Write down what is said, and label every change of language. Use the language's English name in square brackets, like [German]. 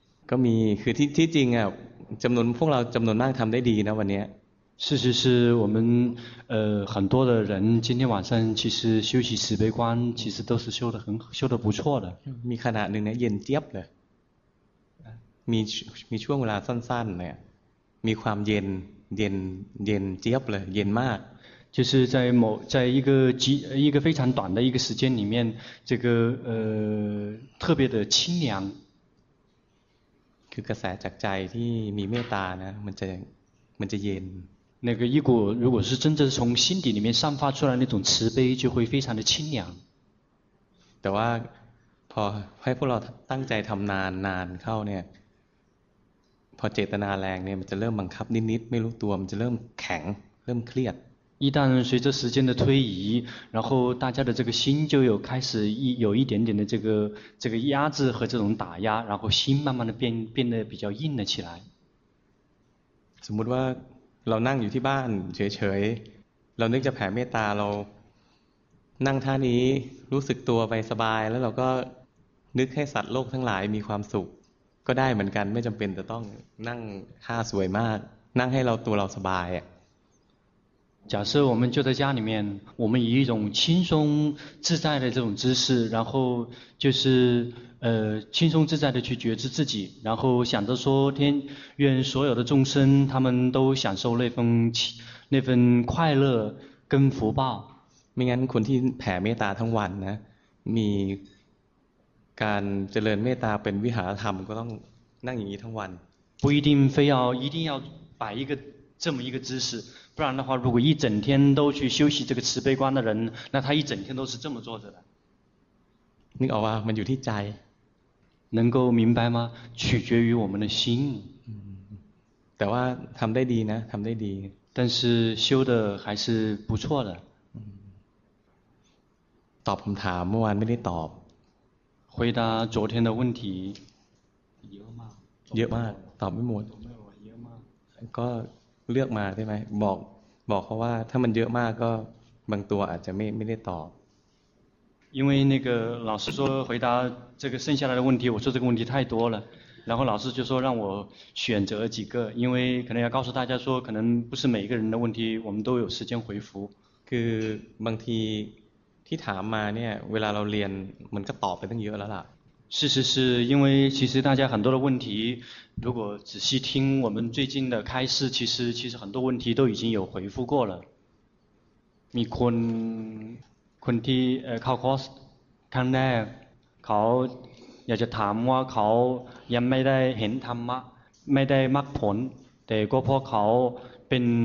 [Thai] ก็มีคือที่จริงอ่ะจำนวนพวกเราจำนวนมากทำได้ดีนะวันนี้ [Chinese] 事实是我们很多的人今天晚上其实修习慈悲观其实都是修得不错的 [Thai] มีขนาดนึงเนี่ยเย็นเจี๊ยบเลยมีช่วงเวลาสั้นๆเนี่ยมีความเย็นเจี๊ยบเลยเย็นมาก [Chinese] 就是在一个非常短的一个时间里面这个特别的清凉 [Thai] คือกระแสจากใจที่มีเมตตานะมันจะเย็น [Chinese] 那个一股如果是真正从心底里面散发出来那种慈悲就会非常的清凉 [Thai] แต่ว่าพอให้พวกเราตั้งใจทำนานเข้าเนี่ยพอเจตนาแรงเนี่ยมันจะเริ่มบังคับนิดไม่รู้ตัวมันจะเริ่มแข็งเริ่มเครียด [Chinese] 一旦随着时间的推移然后大家的这个心就有开始有一点点的这个压制和这种打压然后心慢慢的变得比较硬了起来 [Thai] สมมติว่าเรานั่งอยู่ที่บ้านเฉยๆเรานึกจะแผ่เมตตาเรานั่งท่านี้รู้สึกตัวไปสบายแล้วเราก็นึกให้สัตว์โลกทั้งหลายมีความสุขก็ได้เหมือนกันไม่จำเป็นจะต้องนั่งท่าสวยมากนั่งให้เราตัวเราสบาย [Chinese] 假设我们就在家里面，我们以一种轻松自在的这种姿势，然后就是轻松自在的去觉知自己，然后想着说天愿所有的众生他们都享受那份快乐跟福报。 [Thai] ไม่งั้นคนที่แผ่เมตตาทั้งวันนะมีการเจริญเมตตาเป็นวิหารธรรมก็ต้องนั่งอย่างนี้ทั้งวัน [Chinese] 不一定非要一定要摆一个这么一个姿势，不然的话，如果一整天都去休息这个慈悲观的人，那他一整天都是这么坐着的。你好啊， [Thai] มันอยู่ที่ใจ， [Chinese] 能够明白吗？取决于我们的心。嗯， [Thai] แต่ว่าทำได้ดีนะ，ทำได้ดี。 [Chinese] 但是修的还是不错的。 [Thai] ตอบคำถามเมื่อวานไม่ได้ตอบ。 [Chinese] 回答昨天的问题。 [Thai] เยอะมากตอบไม่หมดก็เลือกมาได้ไหมบอกเขาว่าถ้ามันเยอะมากก็บางตัวอาจจะไม่ได้ตอบ [Chinese] 因为那个老师说回答这个剩下来的问题我说这个问题太多了然后老师就说让我选择几个因为可能要告诉大家说可能不是每一个人的问题我们都有时间回复 [Thai] คือบางทีที่ถามมาเนี่ยเวลาเราเรียนมันก็ตอบไปตั้งเยอะแล้วล่ะ [Chinese] 是是是，因为其实大家很多的问题，如果仔细听我们最近的开示，其实很多问题都已经有回复过了。 [Thai] มีคนที่เข้าคอร์สครั้งแรกเขาอยากจะถามว่าเขายังไม่ได้เห็นธรรมะไม่ได้มรรคผลแต่ก็เพราะเขาเป็น